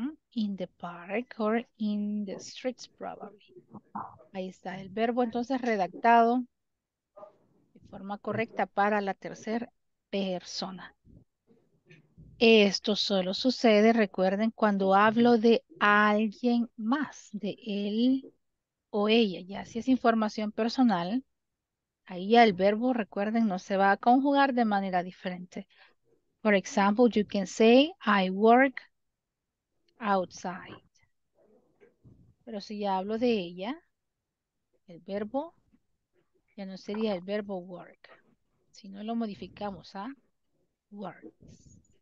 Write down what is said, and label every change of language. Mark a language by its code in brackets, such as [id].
[en] In the park or in the streets, probably. [es] Ahí está el verbo entonces redactado de forma correcta para la tercera persona. Esto solo sucede, recuerden, cuando hablo de alguien más, de él o ella. Ya si es información personal, ahí ya el verbo, recuerden, no se va a conjugar de manera diferente. [en] For example, you can say, I work outside. [es] Pero si ya hablo de ella, el verbo ya no sería el verbo work, sino lo modificamos a works.